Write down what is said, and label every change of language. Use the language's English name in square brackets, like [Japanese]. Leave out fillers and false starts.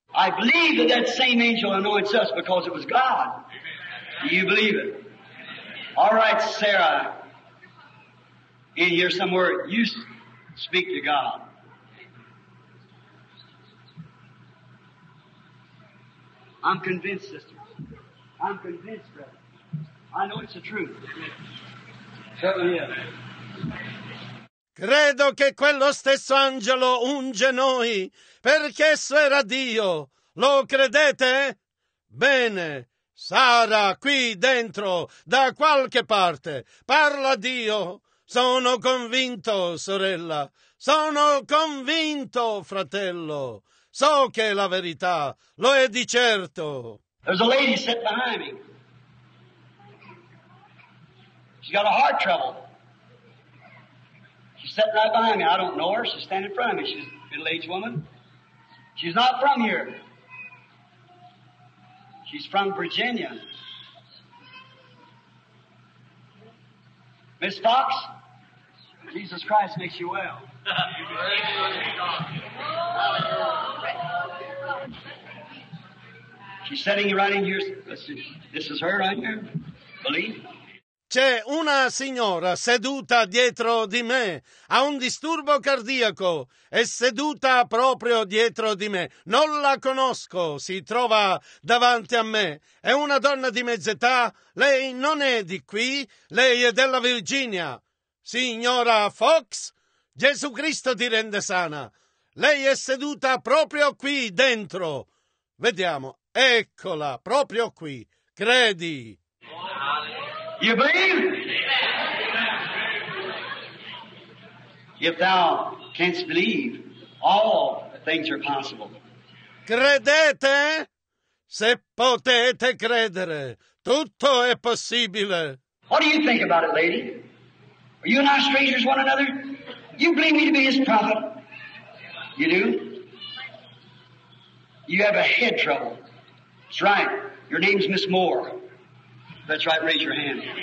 [English] I believe that that same angel anoints us because it was God. Do you believe it? All right, Sarah. In here somewhere, you speak to God. I'm convinced, sister. I'm convinced, brother. I know it's the truth. Certainly is. [Italian] Credo che quello stesso angelo unge noi, perché esso era Dio. Lo credete? Bene. Sara, qui dentro, da qualche parte. Parla Dio. Sono convinto, sorella. Sono convinto, fratello. So che è la verità, lo è di certo. [English] There's a lady sitting behind me. She's got a heart trouble. She's sitting right behind me. I don't know her. She's standing in front of me. She's a middle-aged woman. She's not from here. She's from Virginia. Miss Fox, Jesus Christ makes you well. She's sitting right in here. This is her right here. Believe. [Italian] C'è una signora seduta dietro di me, ha un disturbo cardiaco, è seduta proprio dietro di me. Non la conosco, si trova davanti a me. È una donna di mezz'età, lei non è di qui, lei è della Virginia. Signora Fox, Gesù Cristo ti rende sana. Lei è seduta proprio qui dentro. Vediamo, eccola, proprio qui. Credi? [English] You believe? If thou canst believe, all things are possible. [Italian] Credete? Se potete credere, tutto è possibile. [English] What do you think about it, lady? Are you and I strangers one another? You believe me to be his prophet? You do? You have a head trouble. That's right. Your name's Miss Moore. That's right, raise your hand.